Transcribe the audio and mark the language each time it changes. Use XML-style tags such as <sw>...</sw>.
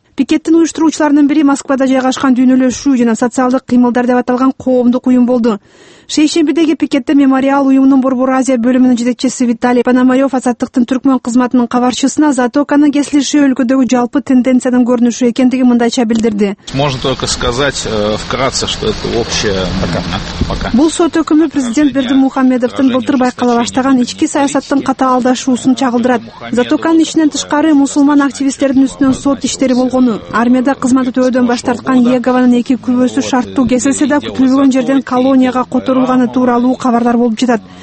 <ky>Пикеттин уюштуруучуларынын бири Москвада жайгашкан дүйнөлөшүү жана социалдык кыймылдар деп аталган коомдук уюм болду. Шейшембидеги пикетте мемориал уюмунун Борбор Азия бөлүмүнүн жетекчиси Виталий Пономарёв Азаттыктын түркмөн кызматынын кабарчысына Затоканын кесилиши өлкөдөгү жалпы тенденциянын көрүнүшү экендиги мындайча билдирди.</ky> <ru>Можно только сказать вкратце, что это общее пока.</ru> <ky>Бул сот өкүмү президент Бердимухамедовдун былтыр байкала баштаган ички саясаттын катаалдашуусун чагылдырат. Затоканын ичинен тышкары мусулман активисттердин үстүнөн сот иштери болгону, армияда кызмат өтөөдөн баш тарткан Егованын эки күбөсү шарттуу кесилсе да күтүлбөгөн жерден колонияга турулганы тууралуу кабарлар болуп жатат.</ky>